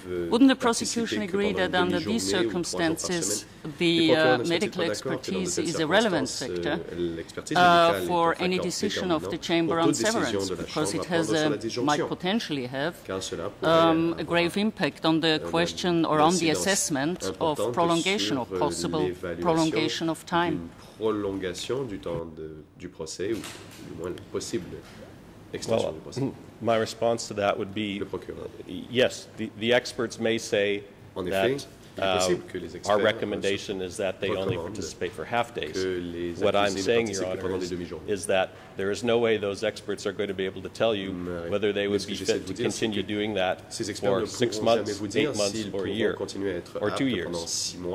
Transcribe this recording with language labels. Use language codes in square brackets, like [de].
[en] Wouldn't the prosecution agree that under these circumstances the medical expertise is a relevant factor for any decision of the chamber on severance, because it has a, might potentially have a grave impact on the question or on the assessment of prolongation or possible prolongation of time. [fr] Prolongation du temps du procès ou du moins possible extension du procès. [en] My response to that would be, yes, the experts may say that our recommendation is that they only participate for half days. What I'm saying, Your Honor, is that there is no way those experts are going to be able to tell you whether they would be fit to continue doing that for 6 months, 8 months, or a year, or 2 years.